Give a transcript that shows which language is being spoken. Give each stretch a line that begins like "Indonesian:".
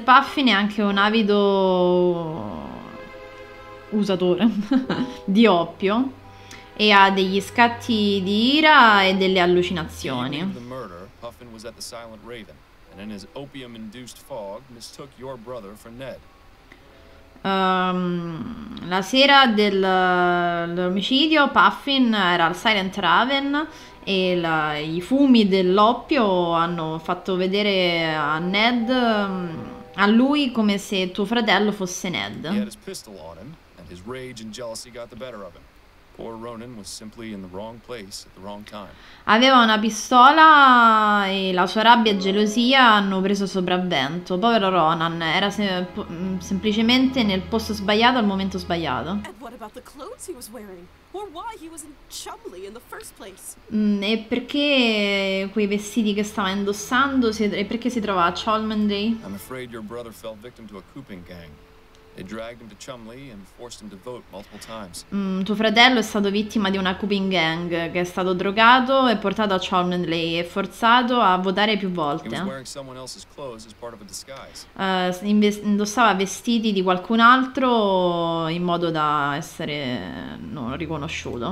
Italian: Puffin è anche un avido usatore di oppio e ha degli scatti di ira e delle allucinazioni.
English: The murder, Puffin was at the Silent Raven, and in his opium-induced fog mistook your brother for Ned.
Italian: La sera dell'omicidio Puffin era al Silent Raven e i fumi dell'oppio hanno fatto vedere a Ned, a lui, come se tuo fratello fosse Ned.
English: He had his pistol on him and his rage and jealousy got the better of him. Poor Ronan was simply in the wrong place at the wrong time.
Italian: Aveva una pistola e la sua rabbia e gelosia hanno preso sopravvento. Povero Ronan, era semplicemente nel posto sbagliato al momento sbagliato.
English: And what about the clothes he was wearing? Or why he was in Chumley in the first place?
Italian: E perché quei vestiti che stava indossando, e perché si trova a Cholmondeley?
English: I'm afraid your brother fell victim to a cooping gang. They dragged him to Chumley and forced him to vote multiple times.
Italian: Tuo fratello è stato vittima di una cooping gang che è stato drogato e portato a Cholmondeley e forzato a votare più volte.
English: He was wearing someone else's clothes as part of a disguise.
Italian: Indossava vestiti di qualcun altro in modo da essere non riconosciuto.